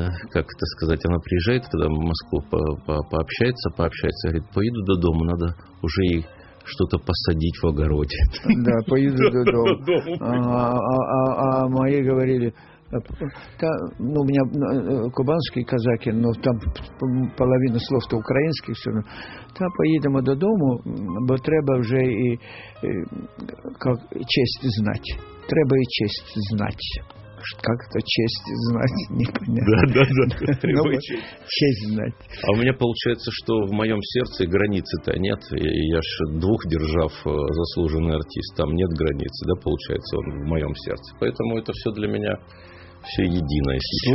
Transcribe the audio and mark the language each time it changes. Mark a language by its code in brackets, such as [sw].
[ru] как это сказать, она приезжает когда в Москву, пообщается, говорит, поеду до дома, надо уже ей что-то посадить в огороде. Да, поеду до дома. А мои говорили, Ну, у меня кубанские казаки, но там половина слов-то украинских все равно. [uk] Та поїдемо додому, бо треба вже і честь знати. Треба і честь знати. [ru] Как-то честь знать, непонятно. Да-да-да, честь знать. А у меня получается, что в моем сердце границы-то нет. Я ж двух держав заслуженный артист. Там нет границы, да, получается, он в моем сердце. Поэтому это все для меня, все единое сейчас.